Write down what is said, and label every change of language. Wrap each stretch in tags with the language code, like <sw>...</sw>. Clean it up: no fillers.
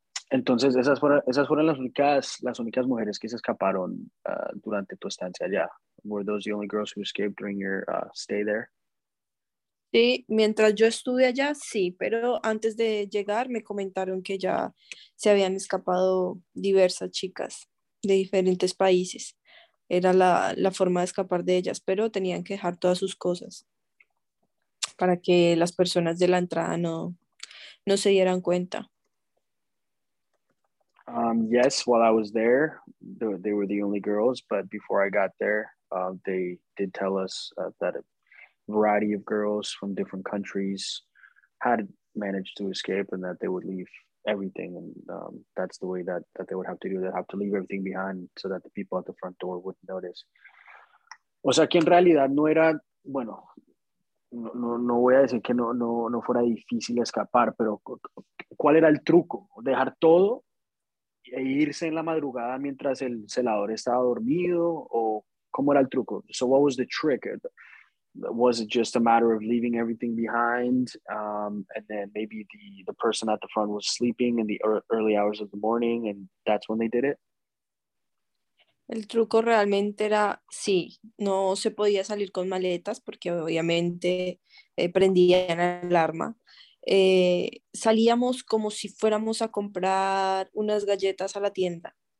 <es>Entonces, esas fueron las únicas mujeres que se escaparon durante tu estancia allá.</es> <en>Were those the only girls who escaped during your stay there?</en> <es>Sí, mientras yo estuve allá, sí, pero antes de llegar me comentaron que ya se habían escapado diversas chicas de diferentes países. Era la forma de escapar de ellas, pero tenían que dejar todas sus cosas para que las personas de la entrada no se dieran cuenta.</es> <en>Yes, while I was there, they were the only girls, but before I got there, they did tell us that a variety of girls from different countries had managed to escape and that they would leave everything. And that's the way that they would have to do. They'd have to leave everything behind so that the people at the front door wouldn't notice.</en> <es>O sea, que en realidad no era, bueno, no voy a decir que no fuera difícil escapar, pero ¿cuál era el truco? ¿Dejar todo e irse en la madrugada mientras el celador estaba dormido? ¿O cómo era el truco?</es> <en>So what was the trick? Was it just a matter of leaving everything behind, and then maybe the person at the front was sleeping in the early hours of the morning, and that's when they did it?</en> <es>El truco realmente era, sí, no se podía salir con maletas porque obviamente prendían alarma. Salíamos como si fuéramos a comprar unas galletas a la tienda.</es>